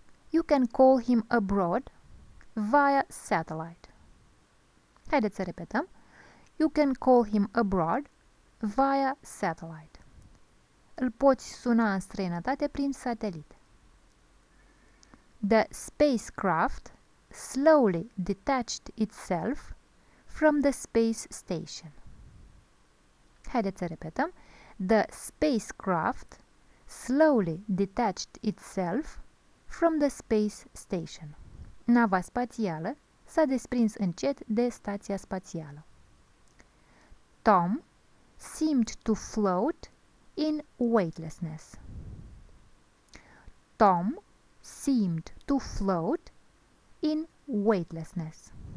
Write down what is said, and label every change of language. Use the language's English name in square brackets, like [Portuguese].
[English] You can call him abroad via satellite. [Romanian] Haideți să repetăm. [English] You can call him abroad via satellite. [Romanian] Îl poți suna în străinătate prin satelit. [English] The spacecraft slowly detached itself from the space station. [Romanian] Haideți să repetăm. [English] The spacecraft slowly detached itself from the space station. [Romanian] Nava spațială s-a desprins încet de stația spațială. [English] Tom seemed to float in weightlessness. Tom seemed to float in weightlessness.